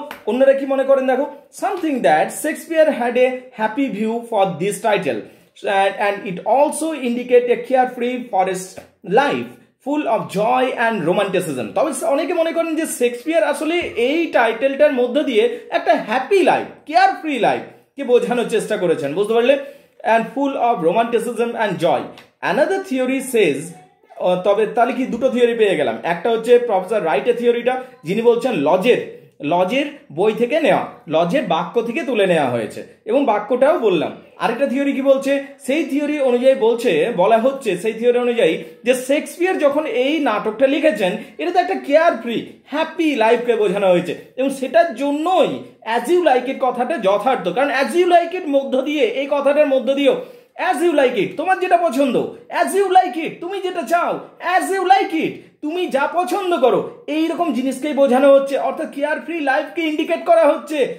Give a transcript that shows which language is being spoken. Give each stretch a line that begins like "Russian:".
Bangla: অন্যরা কি মনে করেন দেখো,
English: Something that Shakespeare had a happy view for this title and it also indicate a carefree forest life full of joy and romanticism.
Bangla: তবে অনেকে মনে করেন যে শেক্সপিয়ার আসলে এই টাইটেলটার মধ্যে দিয়ে একটা হ্যাপি লাইফ, কেয়ারফ্রি লাইফ কে বোঝানোর চেষ্টা করেছেন, বুঝতে পারলে?
English: And full of romanticism and joy. Another theory says,
Bangla: তবে তাহলে কি দুটো থিওরি পেয়ে গেলাম, একটা হচ্ছে প্রফেসর রাইটের থিওরিটা যিনি বলছেন লজের লজের বই থেকে নেওয়া, লজের বাক্য থেকে তুলে নেওয়া হয়েছে, এবং বাক্যটাও বললাম। আরেকটা থিওরি কি বলছে, সেই থিওরি অনুযায়ী বলছে, বলা হচ্ছে সেই থিওরি অনুযায়ী যে শেক্সপিয়ার যখন এই নাটকটা লিখেছেন এটা তো একটা কেয়ার ফ্রি হ্যাপি লাইফকে বোঝানো হয়েছে, এবং সেটার জন্যই অ্যাজ ইউ লাইক ইট কথাটা যথার্থ, কারণ অ্যাজ ইউ লাইক ইট মধ্য দিয়ে, এই কথাটার মধ্য দিয়েও অ্যাজ ইউ লাইক ইট তোমার যেটা পছন্দ, অ্যাজ ইউ লাইক ইট তুমি যেটা চাও, অ্যাজ ইউ লাইক ইট তুমি যা পছন্দ করো, এইরকম জিনিসকেই বোঝানো হচ্ছে, অর্থাৎ কেয়ার ফ্রি লাইফকে ইন্ডিকেট করা হচ্ছে।